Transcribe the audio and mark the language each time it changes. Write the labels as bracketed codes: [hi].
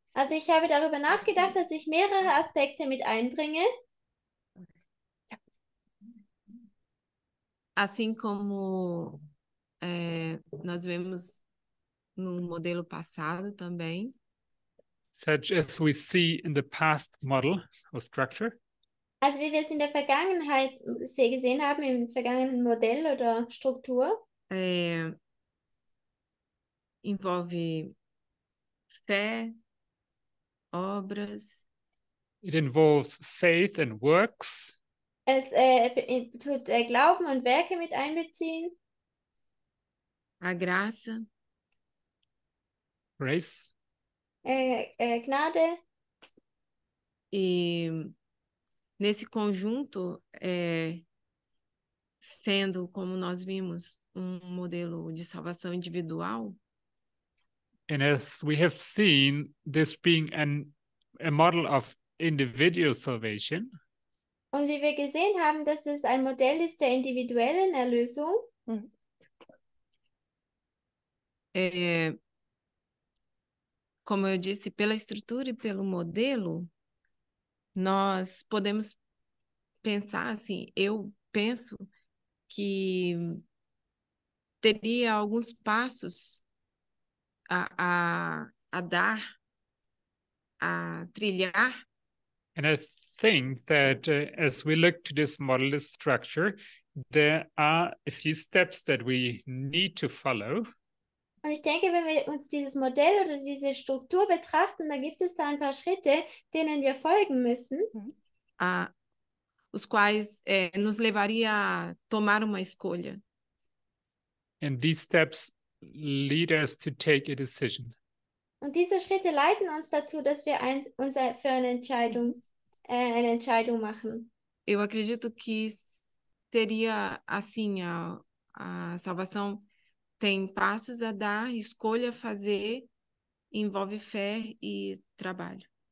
[de] Also, ich habe darüber nachgedacht, dass ich mehrere Aspekte mit einbringe. [pt] Assim como nós vemos no modelo passado também. [en] such as we see in the past model or structure. [de] Also wie wir es in der Vergangenheit gesehen haben, im vergangenen Modell oder Struktur. [pt] Envolve fé, obras. [en] It involves faith and works. [de] Es tut Glauben und Werke mit einbeziehen. [pt] A graça. [en] Grace. [de] Gnade. [pt] E nesse conjunto, sendo, como nós vimos, modelo de salvação individual. [en] And as we have seen, this being a model of individual salvation. [de] Und wie wir gesehen haben, dass das ein Modell ist der individuellen Erlösung. [pt] Como eu disse, pela estrutura e pelo modelo, nós podemos pensar assim, eu penso que teria alguns passos a dar, a trilhar. [en] And I think that as we look to this model, this structure, there are a few steps that we need to follow. [de] Und ich denke, wenn wir uns dieses Modell oder diese Struktur betrachten, dann gibt es da ein paar Schritte, denen wir folgen müssen. [pt] Os quais nos levaria a tomar uma escolha. [en] And these steps lead us to take a decision. [de] Und diese Schritte leiten uns dazu, dass wir eine Entscheidung machen. [pt] Eu acredito que seria assim, a salvação tem passos a dar, escolha fazer, envolve fé e trabalho.